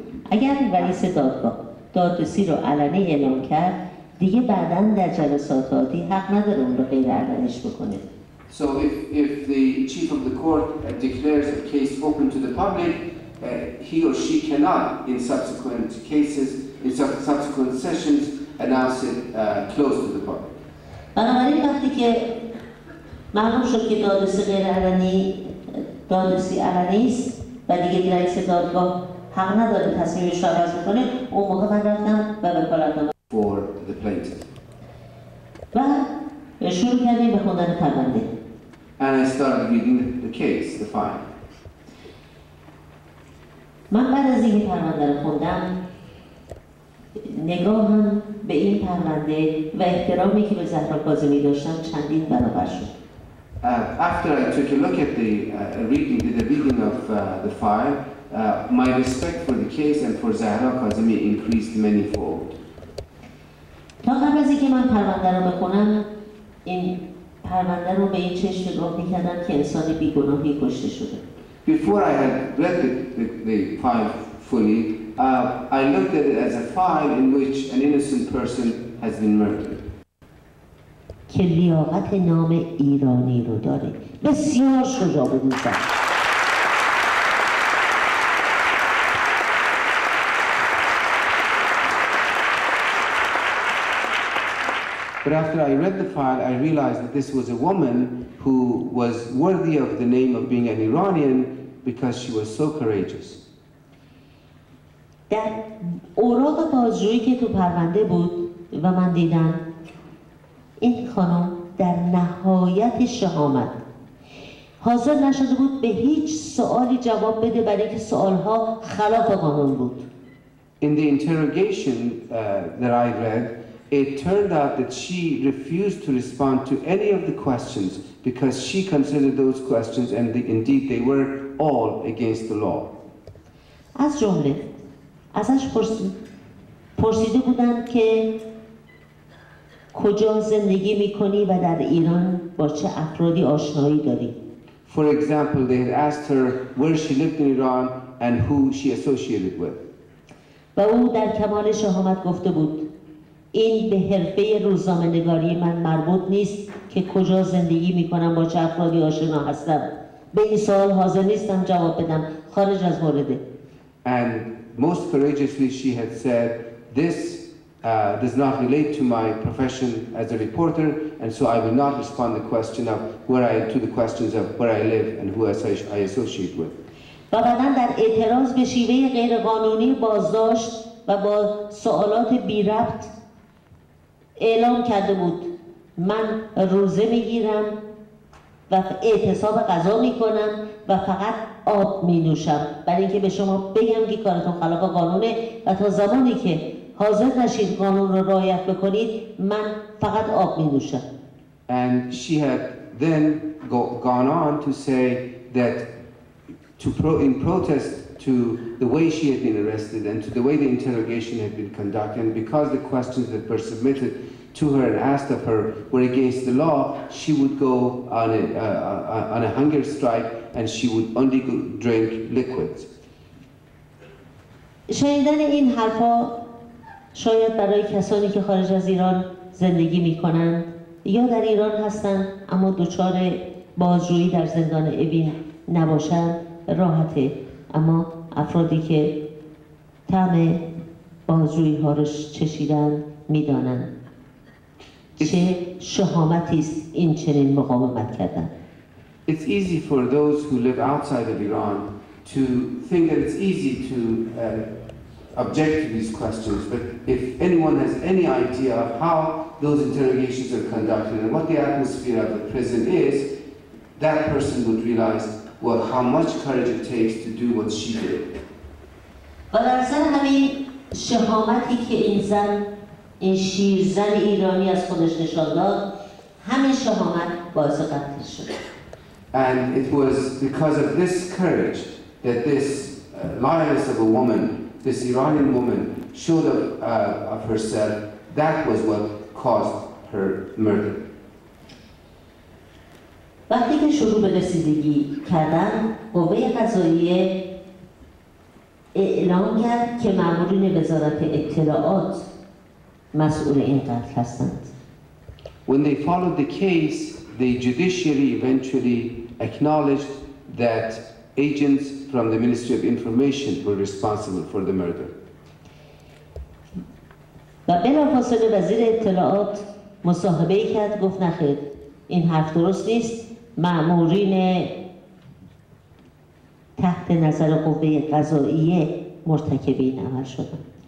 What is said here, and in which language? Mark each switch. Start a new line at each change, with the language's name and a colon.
Persian: اگر رئیس دادگاه دادرسی رو علنی اعلام کرد دیگه بعداً در جلسات عادی حق نداره اون رو غیر علنیش بکنه.
English: So if the chief of the court declares a case open to the public, he or she cannot in subsequent cases, in subsequent sessions, announce it closed to the public.
Persian: بنابراین وقتی که معلوم شد که دادرسی غیر علنی دادرسی علنی است و دیگه رئیس دادگاه حق نداره تصمیمش را عوض بکنه، اون موقع من رفتم و وکالتنامه
English: for the plaintiff.
Persian: و شروع کردیم به خوندن پرونده.
English: And I started reading the case, the file.
Persian: من بعد از اینکه پرونده رو خوندم نگاهم به این پرونده و احترامی که به زهرا کاظمی داشتم چندین برابر شد.
English: After I took a look at the reading of the file, my respect for the case and for Zahra Kazemi increased many fold.
Persian: تا قبل از اینکه من پرونده رو بخونم این پرونده رو به این چشم نگاه می‌کردم که انسان بی‌گناهی کشته شده.
English: Before I had read the file fully, I looked at it as a file in which an innocent person has been murdered.
Persian: که لیاقت نام ایرانی رو داره. بسیار شجاع بود این زن.
English: But after I read the file, I realized that this was a woman who was worthy of the name of being an Iranian because she was so courageous.
Persian: در اوراق بازجویی که تو پرونده بود و من دیدم این خانم در نهایت شهامت حاضر نشده بود به هیچ سوالی جواب بده برای که سوالها خلاف قانون بود.
English: In the interrogation that I read, it turned out that she refused to respond to any of the questions because she considered those questions, and indeed they were all against the law.
Persian: از جمله ازش پرسیده بودن که کجا زندگی میکنی و در ایران با چه افرادی آشنایی داری.
English: For example, they had asked her where she lived in Iran and who she associated with.
Persian: و او در کمال شهامت گفته بود این به حرفه روزنامه‌نگاری من مربوط نیست که کجا زندگی میکنم با چه افرادی آشنا هستم. به این سوال حاضر نیستم جواب بدم. خارج از مورده.
English: And most courageously she had said, this does not relate to my profession as a reporter, and so I will not respond to the questions of where I live and who I associate with.
Persian: و بعداً در اعتراض به شیوه غیرقانونی بازداشت و با سوالات بی ربط اعلام کرده بود من روزه میگیرم و اعتصاب قضا میکنم و فقط آب مینوشم برای اینکه به شما بگم که کارتون خلاف قانونه و تا زمانی که حاضر نشید قانون رو رعایت بکنید من فقط آب مینوشم.
English: And she had then gone on to say that in protest to the way she had been arrested and to the way the interrogation had been conducted, and because the questions that were submitted to her and asked of her were against the law, she would go on a hunger strike and she would only drink liquids.
Persian: شنیدن این حرفا شاید برای کسانی که خارج از ایران زندگی می کنند یا در ایران هستند اما دچار بازجویی در زندان اوین نباشند راحته، اما افرادی که طعم بازجویی ها رو چشیدن می دانند چه شهامتی است این چنین مقاومت کردن.
English: It's easy for those who live outside of Iran to think that it's easy to object to these questions, but if anyone has any idea of how those interrogations are conducted and what the atmosphere of the prison is, that person would realize well how much courage it takes to do what she did.
Persian: این شیرزن ایرانی از خودش نشان داد همین شهامت باعث قتلش شد.
English: And it was because of this courage that this lioness of a woman, this Iranian woman, showed up of herself. That was what caused her murder.
Persian: وقتی که شروع به رسیدگی کردن، قوه قضاییه اعلان کرد که مأمورین وزارت اطلاعات مسئول این قتل هستند.
English: When they followed the case, the judiciary eventually acknowledged that agents from the Ministry of Information were responsible for the murder.
Persian: و بلافاصله وزیر اطلاعات مصاحبه کرد، گفت نخیر، این حرف درست نیست. مأمورین تحت نظر قوه قضاییه مرتکب این عمل شدند.